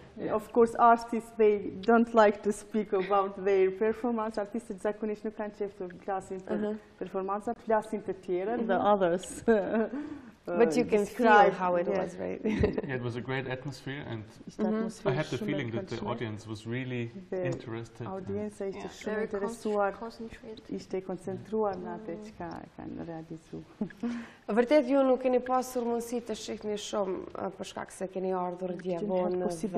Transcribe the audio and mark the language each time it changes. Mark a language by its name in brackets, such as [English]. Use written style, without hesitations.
[English] Of course, artists, they don't like to speak about their performance. [Albanian] Artists zakonisht nuk kanë qejf të flasin për performancat, flasin të tjerën, [English] the others. But you can feel how it was, right? Yeah, it was a great atmosphere, and I had the feeling that the audience was really interested. Audience is [Albanian] shumë interesuar, ishte koncentruar në atë që kanë realizuar. Vërtet ju nuk keni pasur mundësi të shihni shumë për shkak se keni ardhur dje vonë.